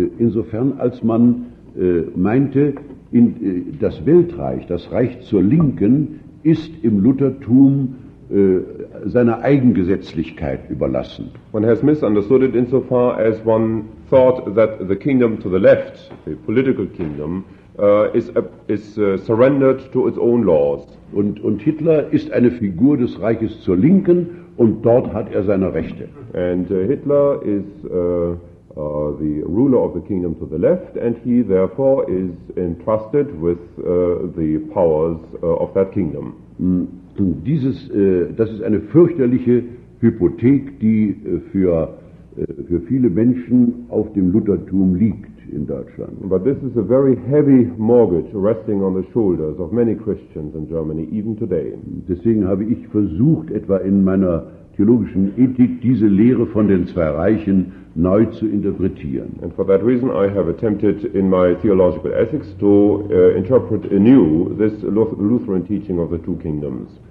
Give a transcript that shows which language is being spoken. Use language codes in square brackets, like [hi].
[de] Insofern, als man meinte, das Weltreich, das Reich zur Linken, ist im Luthertum seiner Eigengesetzlichkeit überlassen. [en] One has misunderstood it insofar as one thought that the kingdom to the left, the political kingdom, is surrendered to its own laws. [de] Und Hitler ist eine Figur des Reiches zur Linken und dort hat er seine Rechte. [en] And Hitler is the ruler of the kingdom to the left and he therefore is entrusted with the powers of that kingdom. [de] Das ist eine fürchterliche Hypothek, die für viele Menschen auf dem Luthertum liegt in Deutschland. [en] But this is a very heavy mortgage resting on the shoulders of many Christians in Germany, even today. [de] Deswegen habe ich versucht, etwa in meiner theologischen Ethik diese Lehre von den zwei Reichen neu zu interpretieren. [en] And for that reason I have attempted in my theological ethics to interpret anew this Lutheran teaching of the two kingdoms.